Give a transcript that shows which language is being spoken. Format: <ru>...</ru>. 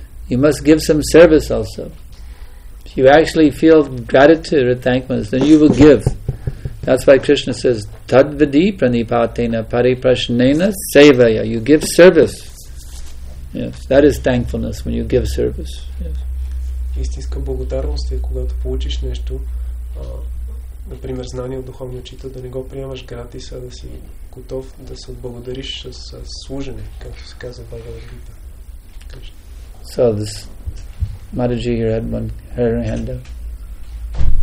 <en>You must give some service also. If you actually feel gratitude or thankfulness, then you will give. That's why Krishna says,</en> <sa>Tadvidi pranipatena pariprasnena sevaya.</sa> <en>You give service. Yes, that is thankfulness when you give service. Yes.</en> <bg>Истинска благодарност е когато получиш нещо, например, знание от духовния учител, да не го приемаш gratis, а да си готов да се отблагодариш с служене, както се казва Бхагавад Гита.</bg> <en>So this Mataji here had one her hand up.</en>